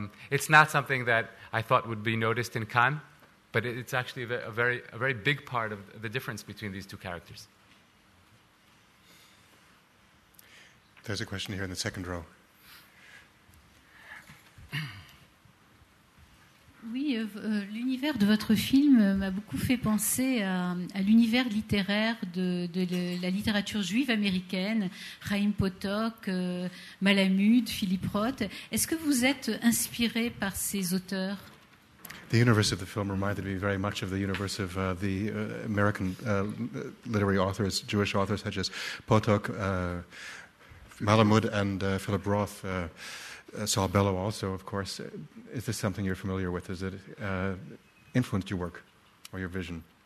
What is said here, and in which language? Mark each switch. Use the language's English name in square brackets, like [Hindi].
[English] It's not something that I thought would be noticed in Cannes, but it's actually a very big part of the difference between these two characters. There's a question here in the second row. [French] Oui, l'univers de votre film m'a beaucoup fait penser à l'univers littéraire de la littérature juive américaine, Chaim Potok, Malamud, Philip Roth. Est-ce que vous êtes inspiré par ces auteurs? [English] The universe of the film reminded me very much of the universe of American literary authors, Jewish authors such as Potok, Malamud, and Philip Roth. Saul Bellow also, of course. Is this something you're familiar with? Has it influenced your work or your vision?